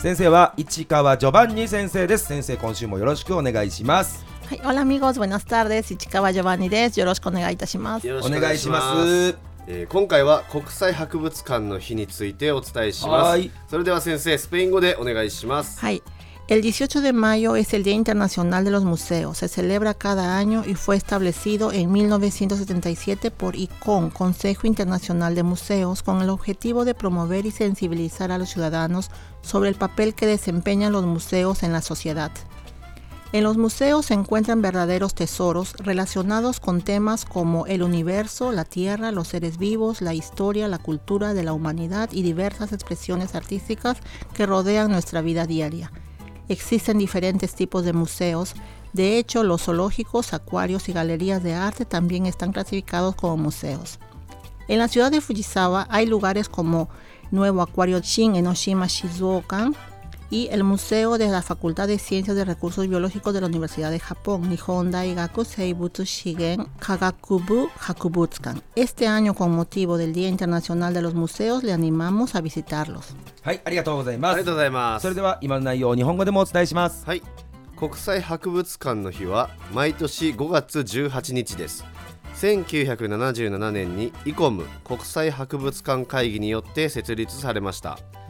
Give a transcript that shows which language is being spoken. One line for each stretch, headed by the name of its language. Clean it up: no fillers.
Japanese: 先生は市川ジョバンニ先生です。先生、今週もよろしくお願いします。はい、オラミゴーズ、ボナスタールです。市川ジョバンニです。よろしくお願いいたします。よろしくお願いします。今回は国際博物館の日についてお伝えします。それでは先生、スペイン語でお願いします。はい、
Spanish: El 18 de mayo es el Día Internacional de los Museos. Se celebra cada año y fue establecido en 1977 por ICOM, Consejo Internacional de Museos, con el objetivo de promover y sensibilizar a los ciudadanos sobre el papel que desempeñan los museos en la sociedad. En los museos se encuentran verdaderos tesoros relacionados con temas como el universo, la tierra, los seres vivos, la historia, la cultura de la humanidad y diversas expresiones artísticas que rodean nuestra vida diaria. Existen diferentes tipos de museos. De hecho, los zoológicos, acuarios y galerías de arte también están clasificados como museos. En la ciudad de Fujisawa hay lugares como Nuevo Acuario Shin en Oshima, Shizuoka, y el Museo de la Facultad de Ciencias de Recursos Biológicos de la Universidad de Japón, Nihon Daigaku Seibutsu Shigen Kagakubu Hakubutsukan. Este año, con motivo del Día Internacional de los Museos, le animamos a visitarlos.
Japanese: はい、ありがとうございます。ありがとうございます。それでは今の内容を日本語でもお伝えします。はい、国際博物館の日は毎年5月18日です。 1977年にICOM国際博物館会議によって設立されました。